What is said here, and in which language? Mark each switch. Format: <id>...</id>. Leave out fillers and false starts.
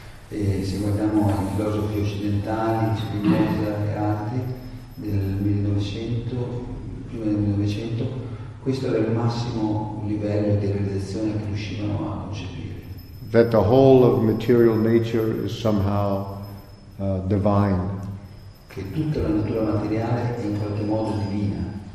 <it>E se guardiamo i filosofi occidentali, Spinoza e altri, del 1900, prima del 1900, questo era il massimo livello di realizzazione che riuscivano a concepire.</it> <en>That the whole of material nature is somehow divine.</en> <it>Che tutta la natura materiale è in qualche modo divina.</it>